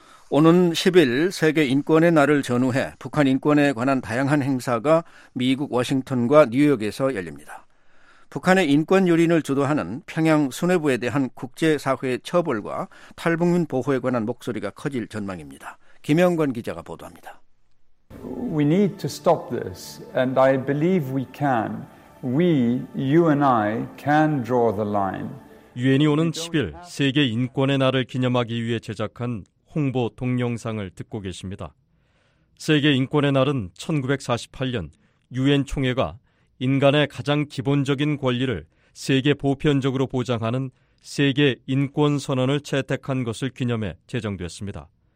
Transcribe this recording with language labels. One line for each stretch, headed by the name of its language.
Korean: 오는 10일 세계인권의 날을 전후해 북한 인권에 관한 다양한 행사가 미국 워싱턴과 뉴욕에서 열립니다. 북한의 인권 유린을 주도하는 평양 수뇌부에 대한 국제사회의 처벌과 탈북민 보호에 관한 목소리가 커질 전망입니다. 김영권 기자가 보도합니다.
English: We need to stop this and I believe we can. We, you and I can draw the line.
Korean: 유엔이 오는 10일 세계 인권의 날을 기념하기 위해 제작한 홍보 동영상을 듣고 계십니다. 세계 인권의 날은 1948년 유엔 총회가 인간의 가장 기본적인 권리를 세계 보편적으로 보장하는 세계 인권 선언을 채택한 것을 기념해 제정됐습니다.